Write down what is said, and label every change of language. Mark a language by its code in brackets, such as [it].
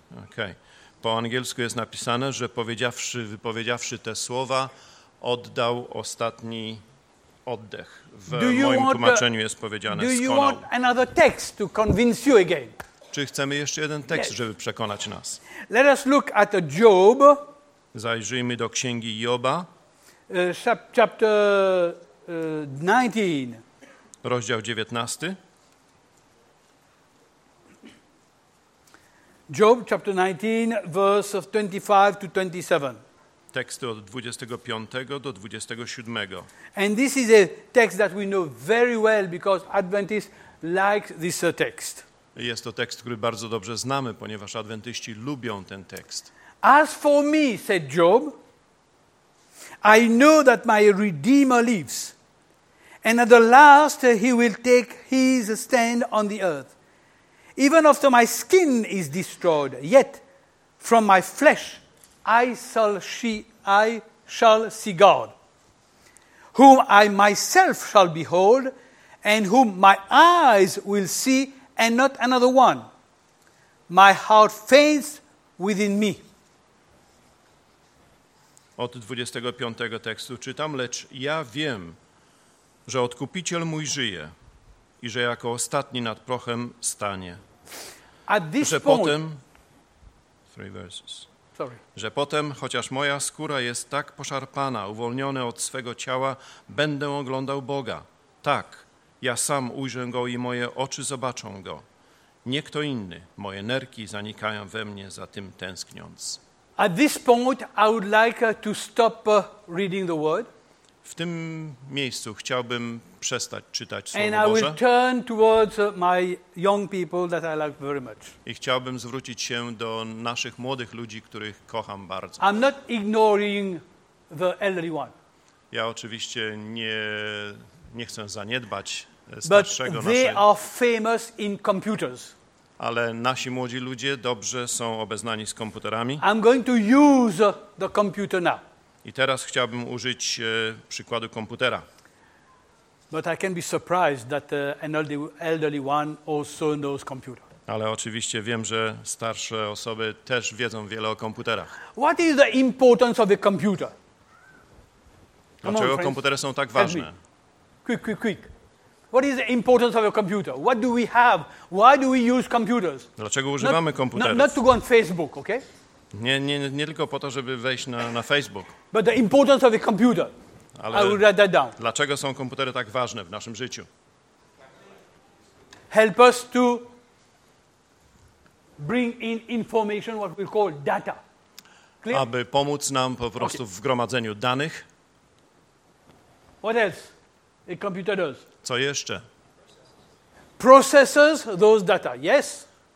[en] Okay. [pl] Po angielsku jest napisane, że wypowiedziawszy te słowa, oddał ostatni oddech. W moim tłumaczeniu jest powiedziane skonał. [en] Do you want another text to convince you again? [pl] Czy chcemy jeszcze jeden tekst, żeby przekonać nas? [en] Let us look at Job. [pl] Zajrzyjmy do księgi Joba. [en] Chapter 19. [pl] Rozdział 19. [en] Job chapter 19, verse 25 to 27. [pl] Teksty od 25 do 27. [en] And this is a text that we know very well because Adventists like this text. [pl] Jest to tekst, który bardzo dobrze znamy, ponieważ adwentyści lubią ten tekst. [en] As for me, said Job, I know that my Redeemer lives, and at the last he will take his stand on the earth. Even after my skin is destroyed, yet from my flesh I shall see God, whom I myself shall behold, and whom my eyes will see and not another one. My heart faints within me. [pl] Od 25 tekstu czytam, lecz ja wiem, że Odkupiciel mój żyje i że jako ostatni nad prochem stanie. [en] At this [pl] że [en] point, [pl] potem, [en] three verses, sorry. [pl] Że potem, chociaż moja skóra jest tak poszarpana, uwolniony od swego ciała, będę oglądał Boga. Tak. Ja sam ujrzę go i moje oczy zobaczą go. Nie kto inny. Moje nerki zanikają we mnie za tym tęskniąc. [en] At this point I would like to stop reading the word. [pl] W tym miejscu chciałbym przestać czytać Słowo [en] and [pl] Boże. [en] And I will turn towards my young people that I like very much. [pl] I chciałbym zwrócić się do naszych młodych ludzi, których kocham bardzo. [en] I'm not ignoring the elderly one. [pl] Ja oczywiście nie chcę zaniedbać starszego naszego. [en] But they are famous in computers. [pl] Ale nasi młodzi ludzie dobrze są obeznani z komputerami. [en] I'm going to use the computer now. [pl] I teraz chciałbym użyć przykładu komputera. [en] But I can be surprised that an elderly one also knows computer. [pl] Ale oczywiście wiem, że starsze osoby też wiedzą wiele o komputerach. [en] What is the importance of a computer? [pl] Dlaczego komputery są tak ważne? [en] Quick. What is the importance of a computer? What do we have? Why do we use computers? [pl] Dlaczego używamy komputerów? [en] Not to go on Facebook, okay? [pl] Nie tylko po to, żeby wejść na Facebook. [en] But the importance of a computer. [pl] Ale [en] I will write that down. [pl] Dlaczego są komputery tak ważne w naszym życiu? [en] Help us to bring in information, what we call data. Clear? [pl] Aby pomóc nam po prostu w gromadzeniu danych. [en] What else a computer does? [pl] Co jeszcze? [en] Processes those data, yes?